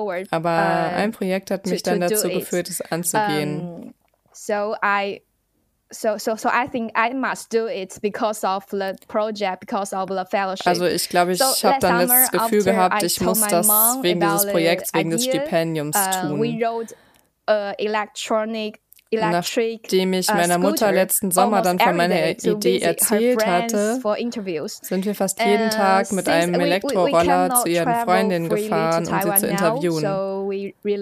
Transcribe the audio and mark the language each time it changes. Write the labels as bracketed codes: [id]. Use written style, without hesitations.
[de] Aber ein Projekt hat mich dann dazu geführt, es anzugehen. [en] So I think I must do it because of the project, because of the fellowship. [de] Also ich glaube, ich habe dann das Gefühl gehabt, ich muss das wegen dieses Projekts, wegen des Stipendiums tun. [en] We wrote an electronic [de] Nachdem ich meiner Mutter letzten Sommer dann von meiner Idee erzählt hatte, sind wir fast jeden Tag mit einem Elektroroller zu ihren Freundinnen gefahren, um sie zu interviewen.